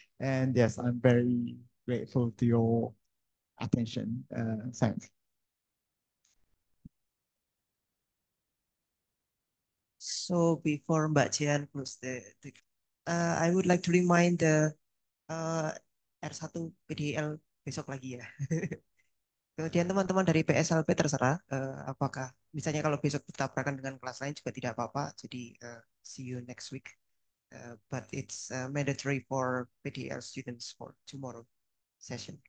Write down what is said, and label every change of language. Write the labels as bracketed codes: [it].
[en] And yes, I'm very grateful to your attention. Thanks. So before Mbak Jian close the I would like to remind the R1 PDIL [id] besok lagi ya. Kemudian teman-teman dari PSLP terserah apakah misalnya kalau besok ditabrakan dengan kelas lain juga tidak apa-apa. [en] Jadi see you next week. But it's mandatory for PDIL students for tomorrow session.